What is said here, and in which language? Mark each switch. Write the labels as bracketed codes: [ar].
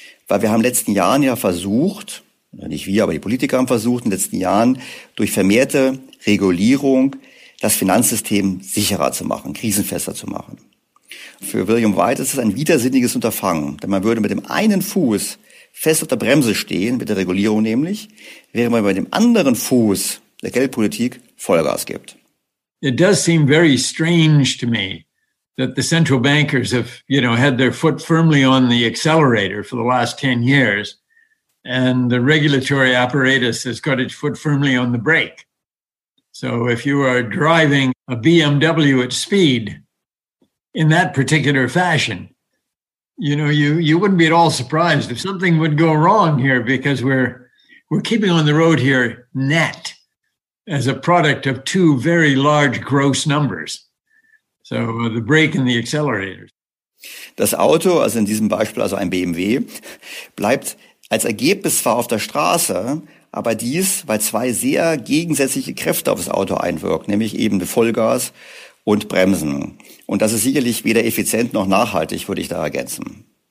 [de] Weil wir haben in den letzten Jahren ja versucht, nicht wir, aber die Politiker haben versucht, in den letzten Jahren durch vermehrte Regulierung das Finanzsystem sicherer zu machen, krisenfester zu machen. Für William White ist es ein widersinniges Unterfangen, denn man würde mit dem einen Fuß fest auf der Bremse stehen, mit der Regulierung nämlich, während man mit dem anderen Fuß der Geldpolitik Vollgas gibt. [en] It does seem very strange to me that the central bankers have, you know, had their foot firmly on the accelerator for the last 10 years and the regulatory apparatus has got its foot firmly on the brake. So if you are driving a BMW at speed in that particular fashion, you know, you wouldn't be at all surprised if something would go wrong here because we're keeping on the road here net as a product of two very large gross numbers. So the brake and the accelerator. [de] Das Auto, also in diesem Beispiel also ein BMW, bleibt als Ergebnis zwar auf der Straße, aber dies, weil zwei sehr gegensätzliche Kräfte auf das Auto einwirken, nämlich eben Vollgas und Bremsen. Und das ist sicherlich weder effizient noch nachhaltig, würde ich da ergänzen.